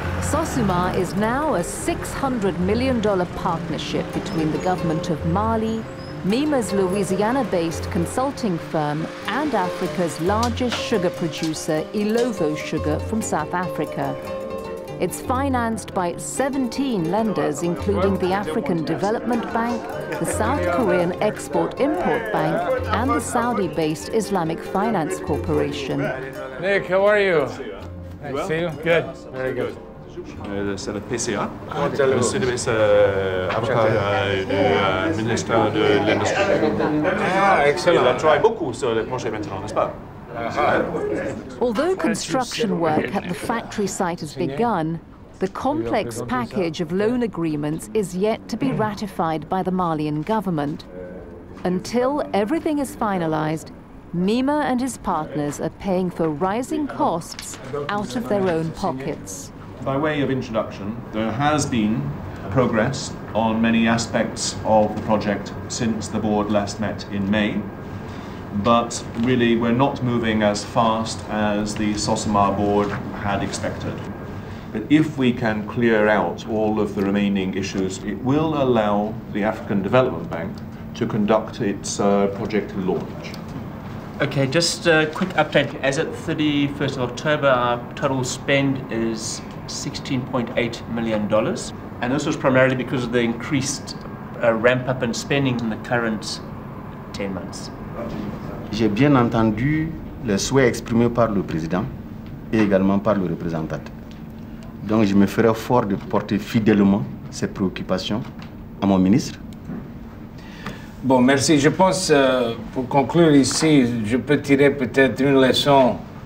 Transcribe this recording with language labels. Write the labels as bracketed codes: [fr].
[en] Sosuma is now a $600 million partnership between the government of Mali, MIMA's Louisiana-based consulting firm, and Africa's largest sugar producer, Ilovo Sugar, from South Africa. It's financed by 17 lenders, including the African Development Bank, the South Korean Export-Import Bank, and the Saudi-based Islamic Finance Corporation. Nick, how are you? Nice to see you. Good. Very good. [fr] C'est le PCA, le service avocat du ministère de l'Industrie. Ah, excellent. Il a travaillé beaucoup sur les projets maintenant, n'est-ce pas? [en] Although construction work at the factory site has begun, the complex package of loan agreements is yet to be ratified by the Malian government. Until everything is finalized, Mima and his partners are paying for rising costs out of their own pockets. By way of introduction, there has been progress on many aspects of the project since the board last met in May. But really, we're not moving as fast as the Sosuma board had expected. But if we can clear out all of the remaining issues, it will allow the African Development Bank to conduct its project launch. Okay, just a quick update. As at 31st of October, our total spend is $16.8 million. And this was primarily because of the increased ramp up in spending in the current 10 months. [fr] J'ai bien entendu les souhaits exprimés par le président et également par le représentant. Donc je me ferai fort de porter fidèlement ces préoccupations à mon ministre. Bon, merci. Je pense, pour conclure ici, je peux tirer peut-être une leçon.